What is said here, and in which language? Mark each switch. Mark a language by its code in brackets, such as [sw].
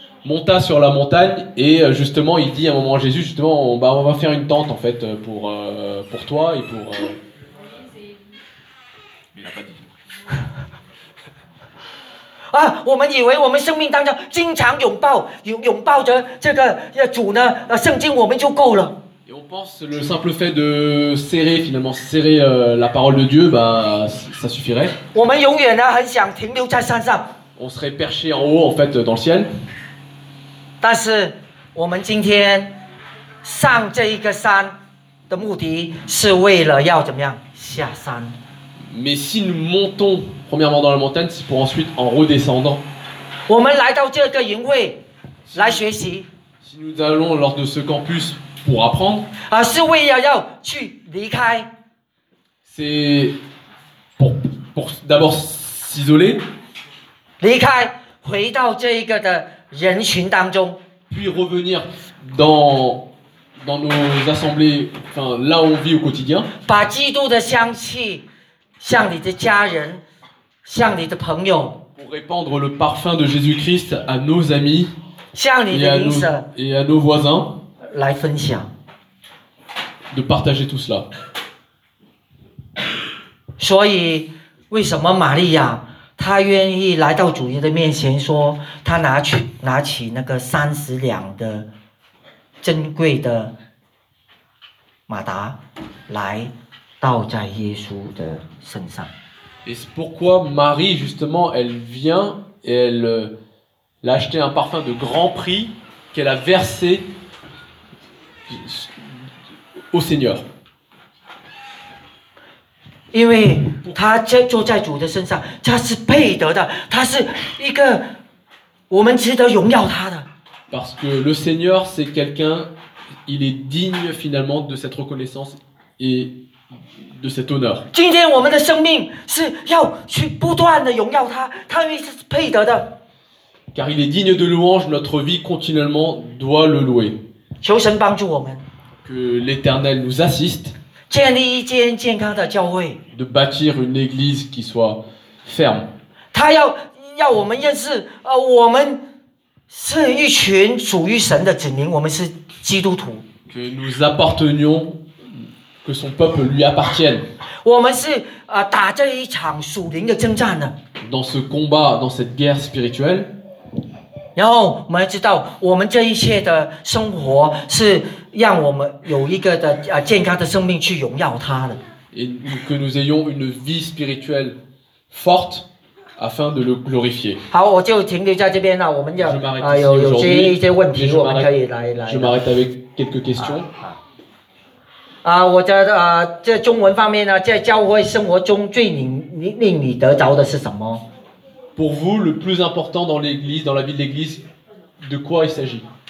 [fr] monta sur la montagne et justement il dit à un moment à Jésus justement on, bah, on va faire une tente en fait pour toi et pour... Il n'a pas dit. [zh] Ah, 我们以为我们生命当中经常拥抱拥抱着这个主呢圣经我们就够了。 [fr] Et on pense le simple fait de serrer, finalement, serrer la parole de Dieu, bah, ça suffirait. [zh] 我们永远呢很想停留在山上。 [fr] On serait perché en haut, en fait, dans le ciel. [zh] 但是我们今天上这一个山的目的是为了要怎么样下山。 [fr] Mais si nous montons premièrement dans la montagne, c'est pour ensuite en redescendant. [zh] 我们来到这个营会来学习。 [fr] Si nous allons lors de ce campus,pour apprendre. [zh] 是为了要去离开。 [fr] C'est pour d'abord s'isoler. [zh] 离开，回到这一个的人群当中。 [fr] Puis revenir dans, dans nos assemblées, enfin, là où on vit au quotidien. [zh] 把基督的香气向你的家人，向你的朋友。 [fr] Pour répandre le parfum de Jésus-Christ à nos amis. [zh] 向你的邻舍。 [fr] Et à nos voisins. [zh] 来分享 [fr] de partager tout cela. [zh] 所以为什么玛利亚她愿意来到主耶的面前说她拿起那个三十两的珍贵的马达来倒在耶稣的身上。 [fr] Et c'est pourquoi Marie justement elle vient et elle l'a acheté un parfum de grand prix qu'elle a versé au Seigneur. [zh] 因为他坐在主的身上，他是配得的，他是一个我们值得荣耀他的。 [fr] Parce que le Seigneur c'est quelqu'un, il est digne finalement de cette reconnaissance et de cet honneur. [zh] 今天我们的生命是要去不断的荣耀他，他因为是配得的。 [fr] Car il est digne de louange, notre vie continuellement doit le louer. [zh] 求神帮助我们 [fr] que l'Éternel nous assiste [zh] 建立一间健康的教会 [fr] de bâtir une église qui soit ferme [zh] 他 要我们认识、我们是一群属于神的子民我们是基督徒 [fr] que nous appartenions que son peuple lui appartienne [zh] 我们是、打这一场属灵的征战的 [fr] dans ce combat, dans cette guerre spirituelle [zh] 然后我们知道我们这一切的生活是让我们有一个的健康的生命去荣耀他的。 [fr] Et que nous ayons une vie spirituelle forte afin de le glorifier. [zh] 好我就停留在这边了我们就、有这一些问题我们可以来。 [fr] Je m'arrête avec quelques questions. [zh] 我觉得、这中文方面呢在教会生活中最 令你得着的是什么 [fr] Pour vous, le plus important dans l'église, dans la vie de l'église, de quoi il s'agit?